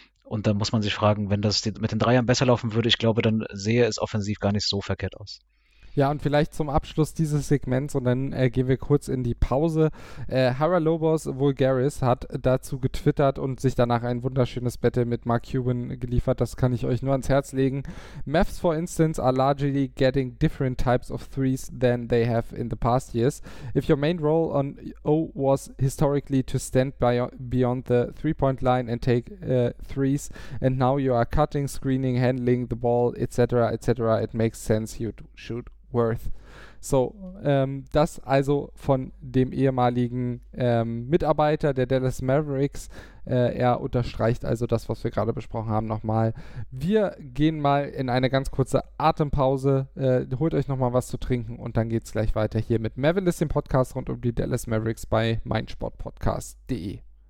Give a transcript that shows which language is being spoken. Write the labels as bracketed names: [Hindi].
[German] Und da muss man sich fragen, wenn das mit den Dreiern besser laufen würde, ich glaube, dann sähe es offensiv gar nicht so verkehrt aus. Ja, und vielleicht zum Abschluss dieses Segments und dann gehen wir kurz in die Pause. Haralobos Vulgaris hat dazu getwittert und sich danach ein wunderschönes Battle mit Mark Cuban geliefert. Das kann ich euch nur ans Herz legen. [English] Mavs, for instance, are largely getting different types of threes than they have in the past years. If your main role on O was historically to stand beyond the three-point line and take threes, and now you are cutting, screening, handling the ball, etc., etc., it makes sense you shoot. Worth. [German] So, das also von dem ehemaligen Mitarbeiter der Dallas Mavericks. Er unterstreicht also das, was wir gerade besprochen haben, nochmal. Wir gehen mal in eine ganz kurze Atempause, holt euch nochmal was zu trinken und dann geht's gleich weiter hier mit Mavilis, dem Podcast rund um die Dallas Mavericks bei meinsportpodcast.de.